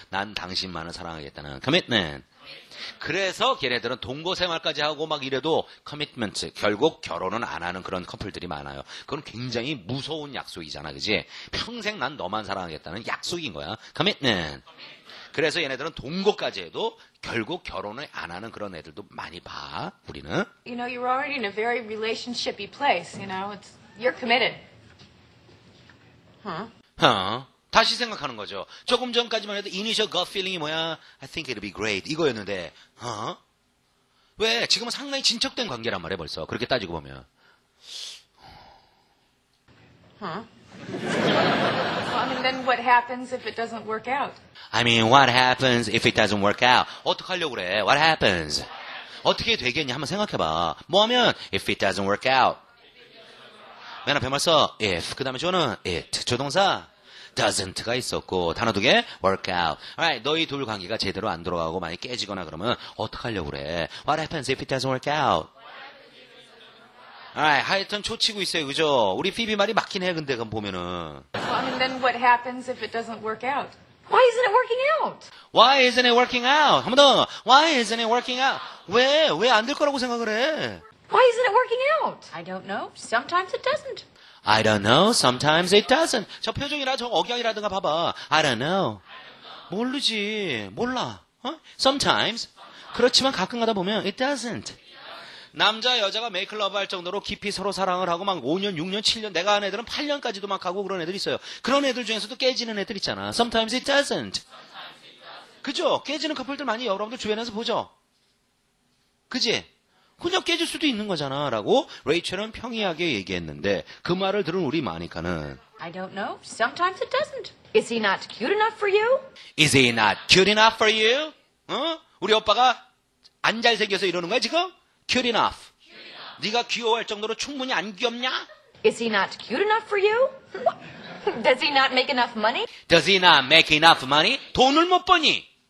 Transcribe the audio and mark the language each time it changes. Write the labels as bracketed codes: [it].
[ko] 난 당신만을 사랑하겠다는 commitment. 그래서 걔네들은 동거 생활까지 하고 막 이래도 commitment, 결국 결혼은 안 하는 그런 커플들이 많아요. 그건 굉장히 무서운 약속이잖아, 그지? 평생 난 너만 사랑하겠다는 약속인 거야. [en] commitment. [ko] 그래서 얘네들은 동거까지 해도 결국 결혼을 안 하는 그런 애들도 많이 봐, 우리는. [en] You know, you're already in a very relationship-y place, you know? It's... You're committed. [ko] Huh? Huh? 다시 생각하는 거죠. 조금 전까지만 해도 initial gut feeling이 뭐야? [en] I think it'll be great. [ko] 이거였는데, huh? 왜? 지금은 상당히 진척된 관계란 말이야, 벌써. 그렇게 따지고 보면. Huh? [en] Then what happens if it doesn't work out? I mean, what happens if it doesn't work out? [ko] 어떻게 하려고 그래? [en] What happens? [ko] 어떻게 되겠니? 한번 생각해봐. 뭐 하면? [en] If it doesn't work out. [ko] 맨 앞에 말서 if, 그 다음에 저는 it. 조동사 doesn't가 있었고 단어 두 개 work out. Alright, 너희 둘 관계가 제대로 안 돌아가고 많이 깨지거나 그러면 어떻게 하려고 그래? [en] What happens if it doesn't work out? Alright, [ko] 하여튼 초치고 있어요, 그죠? 우리 피비 말이 맞긴 해, 근데 그럼 보면은. [en] Then what happens if it doesn't work out? Why isn't it working out? Why isn't it working out? [ko] 한 번 더. [en] Why isn't it working out? 왜? [ko] 왜 안 될 거라고 생각을 해? [en] Why isn't it working out? I don't know. Sometimes it doesn't. I don't know. Sometimes it doesn't. [ko] 저 표정이라 저 억양이라든가 봐봐. [en] I don't know. [ko] 모르지. 몰라. [en] 어? Sometimes. [ko] 그렇지만 가끔 가다 보면 [en] it doesn't. [ko] 남자 여자가 메이크 러브 할 정도로 깊이 서로 사랑을 하고 막 5년, 6년, 7년 내가 아는 애들은 8년까지도 막 가고 그런 애들 있어요. 그런 애들 중에서도 깨지는 애들 있잖아. [en] Sometimes it doesn't. [ko] 그죠? 깨지는 커플들 많이 여러분들 주변에서 보죠? 그지? 그냥 깨질 수도 있는 거잖아 라고 레이첼은 평이하게 얘기했는데 그 말을 들은 우리 마니카는 [en] I don't know. Sometimes it doesn't. Is he not cute enough for you? Is he not cute enough for you? [ko] 어? 우리 오빠가 안 잘생겨서 이러는 거야 지금? [en] Cute enough. Cute enough. [ko] 네가 귀여워할 정도로 충분히 안 귀엽냐? [en] Is he not cute enough for you? Does he not make enough money? Does he not make enough money? [ko] 돈을 못 버니?